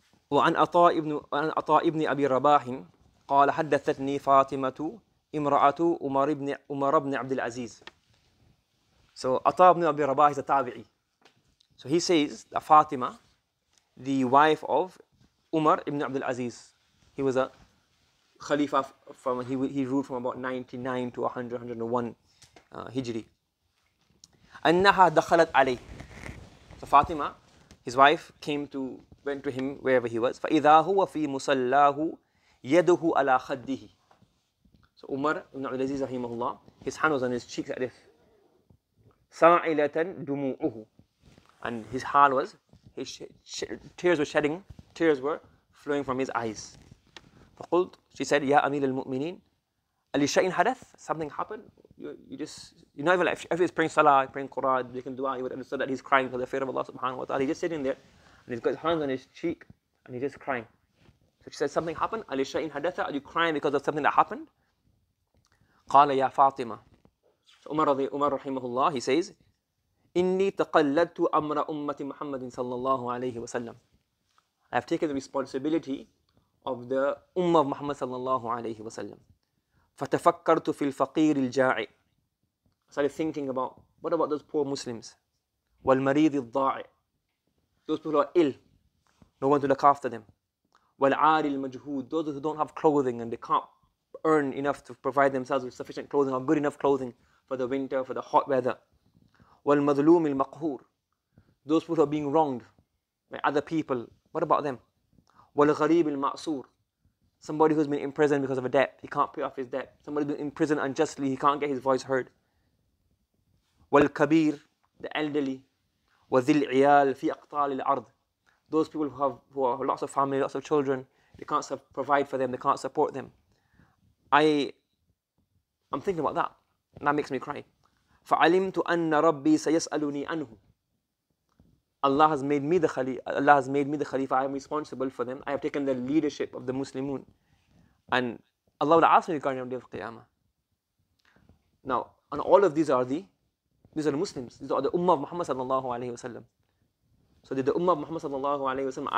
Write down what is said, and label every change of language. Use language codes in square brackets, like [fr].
[ar] وعن عطاء ابن ابي رباح قال حدثتني فاطمه امراه عمر ابن عبد العزيز. [en] So عطاء ابن ابي رباح is a tabi'i. So he says that Fatima, the wife of Umar ibn Abdul Aziz, he was a khalifa from, he ruled from about 99 to 101 Hijri. [ar] أنها دخلت عليه. [en] So Fatima, his wife, went to him wherever he was. [ar] فإذا هو في مصلاه يده على خده. [en] So Umar ibn Abdul Aziz rahimahullah, his hand was on his cheeks like this. [ar] سائلة دموعه. [en] And his heart was, tears were flowing from his eyes. [ar] فقلت, [en] she said, [ar] يا أمير المؤمنين, ألشيء حدث, [en] something happened? You're not even like, if he's praying salah, praying Quran, you can dua, he would understand that he's crying for the fear of Allah subhanahu wa ta'ala. He's just sitting there, and he's got his hands on his cheek, and he's just crying. So she said, something happened? [ar] ألشيء حدث, [en] are you crying because of something that happened? [ar] قال يا فاطمة. [en] So Umar rahimahullah, he says, [ar] إني تقلدت أمر أمة محمد صلى الله عليه وسلم. [en] I have taken the responsibility of the Ummah of Muhammad صلى الله عليه وسلم. [ar] فتفكرت في الفقير الجائع. [en] I started thinking about, what about those poor Muslims? [ar] والمريض الضائع. [en] Those people who are ill. No one to look after them. [ar] والعار المجهود. [en] Those who don't have clothing and they can't earn enough to provide themselves with sufficient clothing or good enough clothing for the winter, for the hot weather. [ar] والمظلوم المقهور. [en] Those people who are being wronged by other people, what about them? [ar] والغريب المأسور. [en] Somebody who's been imprisoned because of a debt, he can't pay off his debt. Somebody who's been imprisoned unjustly, he can't get his voice heard. [ar] والكبير, [en] the elderly. [ar] وذي العيال في أقطال الأرض. [en] Those people who have lots of family, lots of children, they can't provide for them, they can't support them. I'm thinking about that, and that makes me cry. [ar] فعلمت أن ربي سيسألني عنه. [en] Allah has made me the Khalifa. I am responsible for them. I have taken the leadership of the Muslimun, and Allah will ask me regarding the day of Qiyamah. Now, and all of these are the Muslims. These are the Ummah of Muhammad sallallahu alaihi wasallam. So, the Ummah of Muhammad sallallahu alaihi wasallam.